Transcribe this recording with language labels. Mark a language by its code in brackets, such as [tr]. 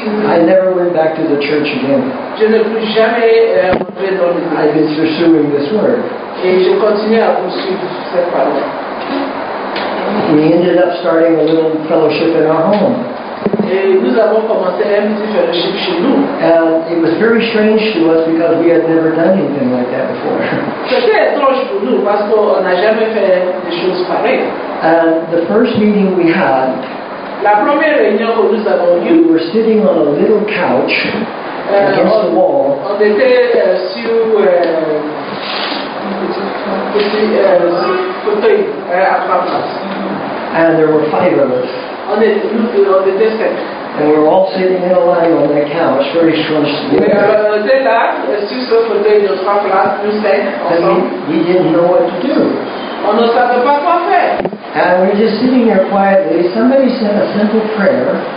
[en] I never went back to the church again. [fr] Je ne plus jamais dans le [en] I've been pursuing this word. [fr] Et je continue à poursuivre cette parole. [en] We ended up starting a little fellowship in our home. [fr] Et nous avons commencé un petit fellowship chez nous. [en] And it was very strange to us because we had never done anything like that before. [fr] C'était étrange pour nous parce qu'on n'a jamais fait des choses pareilles. [en] And the first meeting we had, [fr] la première réunion que nous avons eue, [en] we were sitting on a little couch against the wall. [fr] On était sur un petit fauteuil à trois places. [en] And there were five of us. And we were all sitting in a line on that couch, very close together. And we didn't know what to do. [fr] On ne savait pas quoi faire. [en] And we were just sitting there quietly. Somebody said a simple prayer.